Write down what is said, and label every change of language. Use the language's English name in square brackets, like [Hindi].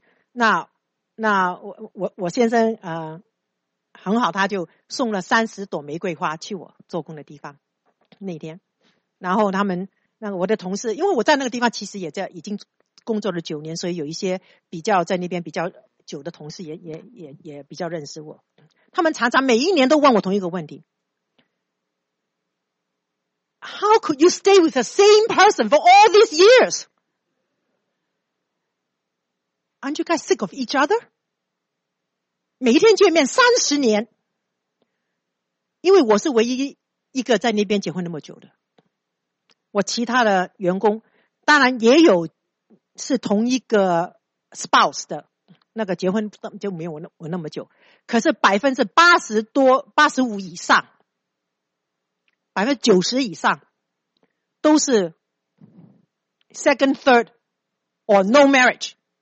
[Chinese] 那我先生很好，他就送了三十朵玫瑰花去我做工的地方那天。然后他们那个我的同事，因为我在那个地方其实也在已经工作了九年，所以有一些比较在那边比较久的同事也比较认识我。他们常常每一年都问我同一个问题。 [English] How could you stay with the same person for all these years? Aren't you guys sick of each other? [Chinese] 每一天见面三十年，因为我是唯一一个在那边结婚那么久的。我其他的员工当然也有是同一个 spouse 的，那个结婚就没有我那么久，可是85%以上，90%以上都是 [English] second, third, or no marriage。